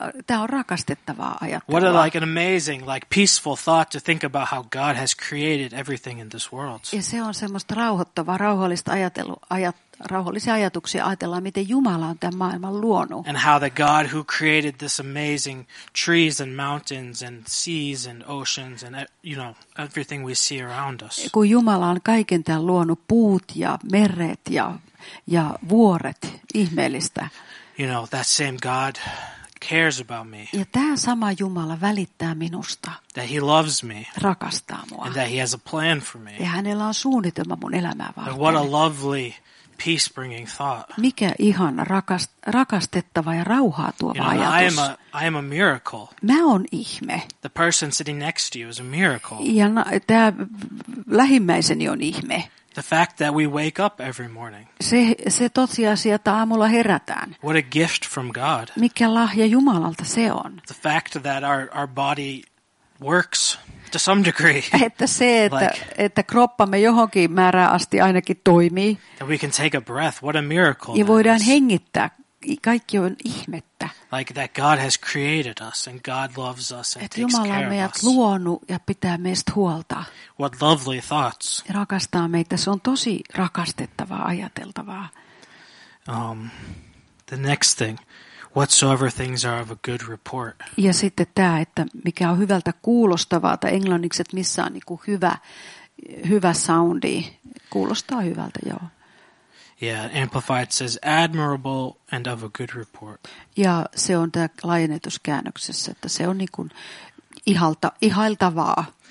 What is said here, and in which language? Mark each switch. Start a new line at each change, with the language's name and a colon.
Finnish: Tämä on rakastettavaa ajattelua.
English: What a like an amazing, like peaceful thought to think about how God has created everything in this world.
Finnish: Ja se on semmoista rauhoittavaa, rauhallisia ajatuksia ajatellaan, miten Jumala on tämän maailman luonut.
English: And how the God who created this amazing trees and mountains and seas and oceans and you know everything we see around us.
Finnish: Kun Jumala on kaiken tämän luonut, puut ja meret ja vuoret, ihmeellistä.
English: You know that same God. Cares about me.
Finnish: Ja tämä sama Jumala välittää minusta.
English: That he loves me.
Finnish: Rakastaa mua.
English: And that he has a plan for me.
Finnish: Ja hänellä on suunnitelma mun elämää varten.
English: What a lovely peace-bringing thought.
Finnish: Mikä ihana rakastettava ja rauhaa tuova
English: you know,
Finnish: ajatus.
English: I am a miracle.
Finnish: Mä on ihme.
English: The person sitting next to you is a miracle.
Finnish: Ja tämä lähimmäiseni on ihme.
English: The fact that we wake up every morning.
Finnish: Se tosiasia, että aamulla herätään.
English: What a gift from God.
Finnish: Mikä lahja Jumalalta se on.
English: The fact that our body works. To some degree.
Finnish: Että se, että kroppamme johonkin määrään asti ainakin toimii.
English: And we can take a breath. What a miracle.
Finnish: Ja voidaan hengittää. Kaikki on ihmettä.
English: Like that God has created us and God loves us and takes
Finnish: Jumala on meidät luonut ja pitää meistä huolta.
English: What lovely thoughts.
Finnish: Ja rakastaa meitä. Se on tosi rakastettavaa, ajateltavaa.
English: The next thing. Whatsoever things are of a good report.
Finnish: Ja sitten tämä, että mikä on hyvältä kuulostavaa, tai englanniksi, että missä on niin kuin hyvä soundi. Kuulostaa hyvältä, joo.
English: Yeah, Amplified says admirable and of a good report.
Finnish: Ja se on tämä laajennetuskäännöksessä, että se on niin kuin ihailtavaa.